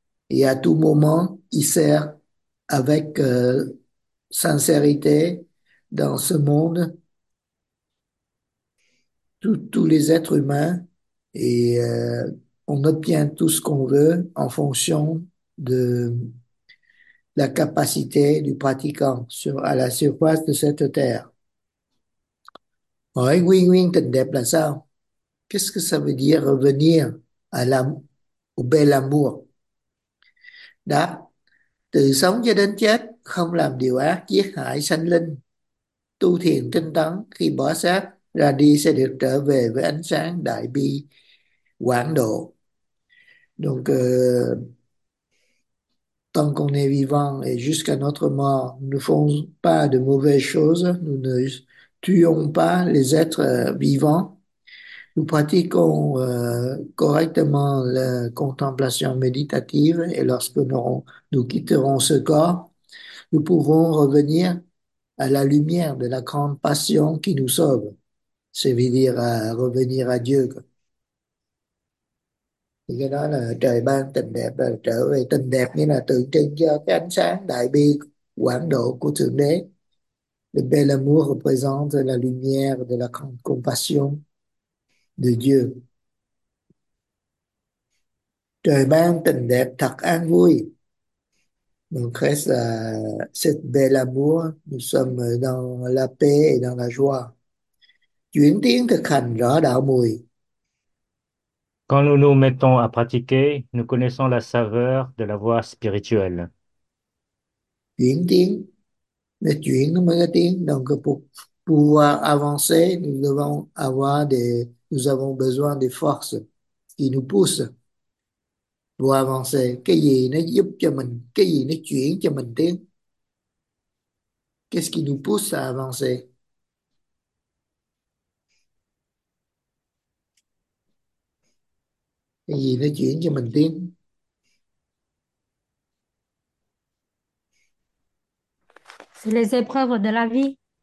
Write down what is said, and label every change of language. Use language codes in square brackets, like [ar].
[fr] Et à tout moment, il sert avec sincérité dans ce monde tous les êtres humains et on obtient tout ce qu'on veut en fonction de la capacité du pratiquant sur, à la surface de cette terre. Oui, oui, oui, [vi] tình đẹp là sao? [fr] Qu'est-ce que ça veut dire revenir à au bel amour? [vi] Đáp, từ sống cho đến chết, không làm điều ác, giết hại sanh linh. Tu thiền tinh tấn, khi bỏ xác, ra đi sẽ được trở về với ánh sáng đại bi, quảng độ. [fr] Donc, tant qu'on est vivant et jusqu'à notre mort, nous ne faisons pas de mauvaises choses, nous ne tuons pas les êtres vivants, nous pratiquons correctement la contemplation méditative et lorsque nous quitterons ce corps, nous pourrons revenir à la lumière de la grande passion qui nous sauve, c'est-à-dire revenir à Dieu. [vi] Thì cái đó là trời ban tình đẹp, là trở về tình đẹp như là tượng trưng cho cái ánh sáng đại bi quảng độ của Thượng Đế. [fr] Le bel amour représente la lumière de la compassion de Dieu. [vi] Trời ban tình đẹp thật an vui. [fr] Donc reste à cette bel amour, nous sommes dans la paix et dans la joie. [vi] Chuyển tiến thực hành rõ đạo mùi. [fr] Quand nous nous mettons à pratiquer, nous connaissons la saveur de la voie spirituelle. [vi] Chuyển tiến, le chuyển nó mới có tiến. [fr] Donc pour pouvoir avancer, nous devons avoir des, nous avons besoin des forces qui nous poussent pour avancer. [vi] Cái gì nó giúp cho mình, cái gì nó chuyển cho mình tiến? [fr] Qu'est-ce qui nous pousse à avancer? [vi] Cái gì nó chuyển cho mình tiến? [fr] C'est les épreuves de la vie.